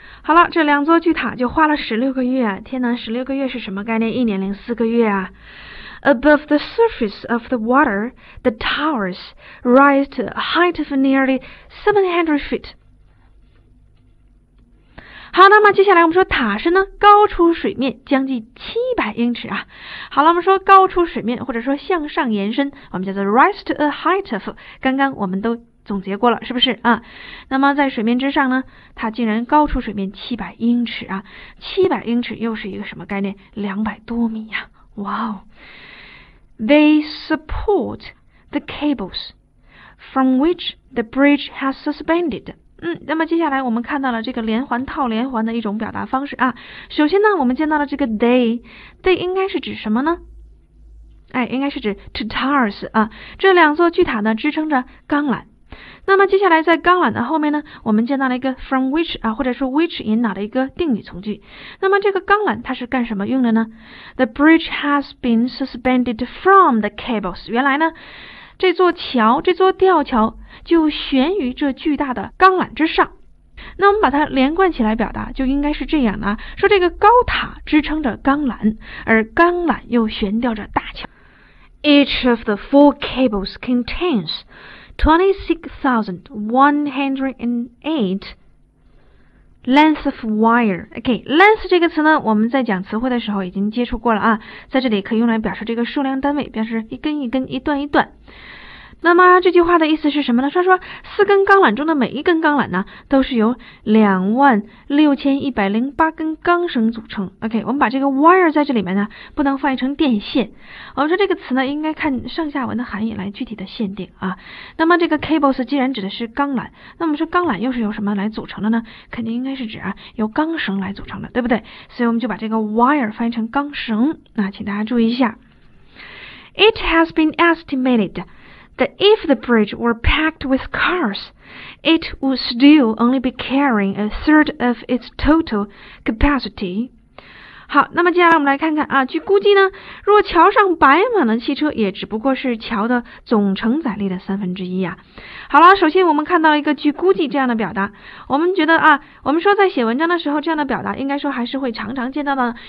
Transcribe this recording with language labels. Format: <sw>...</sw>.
<zh>好了，这两座巨塔就花了16个月。天哪，16个月是什么概念？1年零4个月啊。</zh> <en>Above the surface of the water, the towers rise to a height of nearly 700 feet.</en> <zh>好，那么接下来我们说塔身呢，高出水面将近700英尺啊。好了，我们说高出水面或者说向上延伸，我们叫做</zh> <en>rise to a height of，</en> <zh>刚刚我们都总结过了，是不是啊？那么在水面之上呢，它竟然高出水面700英尺啊，700英尺又是一个什么概念？ 200多米啊，哇哦。</zh> <en>They support the cables from which the bridge has suspended。</en> <zh>那么接下来我们看到了这个连环套连环的一种表达方式啊。首先呢，我们见到了这个 they 应该是指什么呢？哎，应该是指</zh> <en>two towers</en> <zh>啊，这两座巨塔呢支撑着钢缆。那么接下来在钢缆的后面呢，我们见到了一个</zh> <en>from which</en> <zh>啊，或者是 which 引导的一个定语从句。那么这个钢缆它是干什么用的呢？</zh> <en>The bridge has been suspended from the cables。</en> <zh>原来呢，这座桥，这座吊桥就悬于这巨大的钢缆之上。那我们把它连贯起来表达就应该是这样的，说这个高塔支撑着钢缆，而钢缆又悬吊着大桥。</zh> <en>Each of the four cables contains 26,108 length of wire.</en> <zh>Okay, length 这个词呢，我们在讲词汇的时候已经接触过了啊，在这里可以用来表示这个数量单位，表示一根一根，一段一段。那么这句话的意思是什么呢？说四根钢缆中的每一根钢缆呢，都是由26,108根钢绳组成。 OK， 我们把这个 wire 在这里面呢，不能翻译成电线。我们说这个词呢，应该看上下文的含义来具体的限定啊。那么这个 cables 既然指的是钢缆，那我们说钢缆又是由什么来组成的呢？肯定应该是指啊，由钢绳来组成的，对不对？所以我们就把这个 wire 翻译成钢绳。那请大家注意一下 ，</zh> <en>It has been estimated。 That if the bridge were packed with cars, it would still only be carrying a third of its total capacity.</en> <zh>好，那么接下来我们来看看啊，据估计呢，若桥上摆满了汽车，也只不过是桥的总承载力的三分之一啊。好了，首先我们看到了一个据估计这样的表达，我们觉得啊，我们说在写文章的时候，这样的表达应该说还是会常常见到的。</zh>